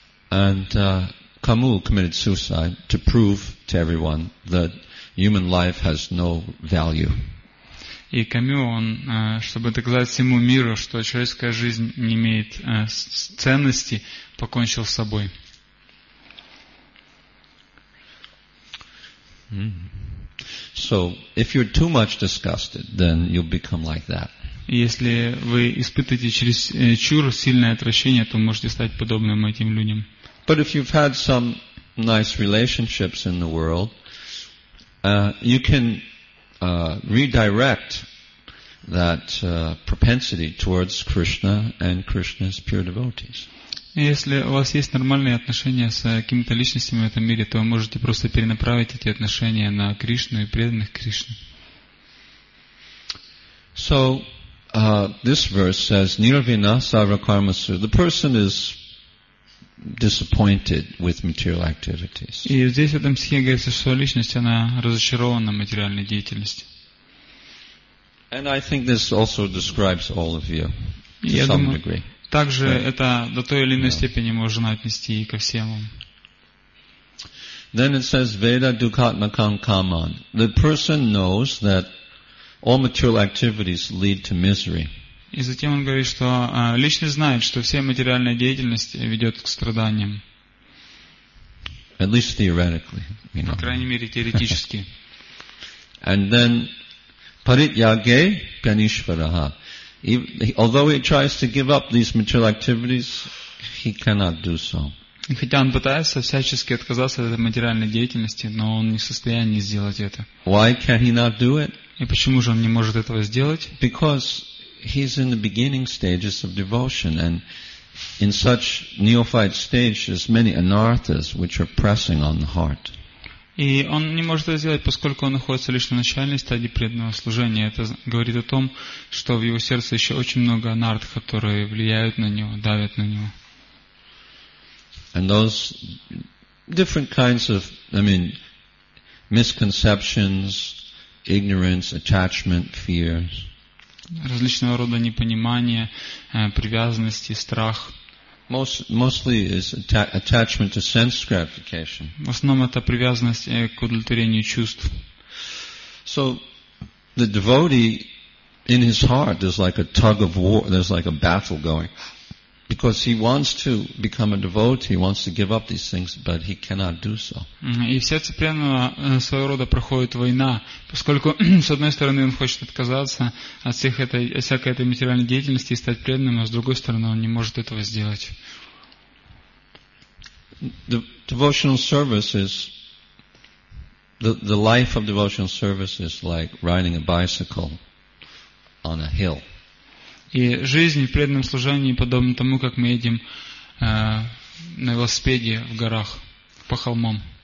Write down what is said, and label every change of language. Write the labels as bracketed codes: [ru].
[en] And Camus committed suicide to prove to everyone that human life has no value. [ru] И Камю, он, чтобы доказать всему миру, что человеческая жизнь не имеет ценности, покончил с собой. [en] So, if you're too much disgusted, then you'll become like that. [ru] Если вы испытываете чересчур сильное отвращение, то можете стать подобным этим людям. [en] But if you've had some nice relationships in the world, you can redirect that propensity towards Krishna and Krishna's pure devotees. [ru] Если у вас есть нормальные отношения с какими-то личностями в этом мире, то вы можете просто перенаправить эти отношения на Кришну и преданных Кришне. [en] So, this verse says, [sa] "Nirvina sarva karmasu." [en] The person is disappointed with material activities. [ru] И здесь в этом стихе говорится, что личность она разочарована материальной деятельностью. [en] And I think this also describes all of you to [ru] Я [en] some [ru] думаю, [en] degree. [ru] Также right. это до той или иной yeah. степени можно отнести и ко всем вам. [en] Then it says [sa] Veda dukhatmakam kaman. [en] The person knows that all material activities lead to misery. [ru] И затем он говорит, что личность знает, что вся материальная деятельность ведет к страданиям. [en] At least theoretically. You know. [ru] По крайней мере теоретически. [en] And then [sa] Parityage Ganishvaraha. [en] Although he tries to give up these material activities, he cannot do so. [ru] Хотя он пытается всячески отказаться от материальной деятельности, но он не в состоянии сделать это. [en] Why can he not do it? [ru] И почему же он не может этого сделать? [en] Because he's in the beginning stages of devotion, and in such neophyte stage, there's many anarthas which are pressing on the heart. [ru] И он не может это сделать, поскольку он находится лишь на начальной стадии преданного служения. Это говорит о том, что в его сердце еще очень много анартх, которые влияют на него, давят на него. [en] And those different kinds of, misconceptions, ignorance, attachment, fears. [ru] Различного рода непонимание, привязанности, страх. [en] Mostly is attachment to sense gratification. [ru] В основном это привязанность к удовлетворению чувств. [en] So the devotee in his heart there's like a tug of war, there's like a battle going. Because he wants to become a devotee, he wants to give up these things, but he cannot do so. [ru] И в сердце преданного своего рода проходит война, поскольку с одной стороны он хочет отказаться от всех этой всякой этой материальной деятельности и стать преданным, а с другой стороны он не может этого сделать. [en] The devotional service is the life of devotional service is like riding a bicycle on a hill. [ru] И жизнь в преданном служении подобна тому, как мы едем на велосипеде в горах, по холмам.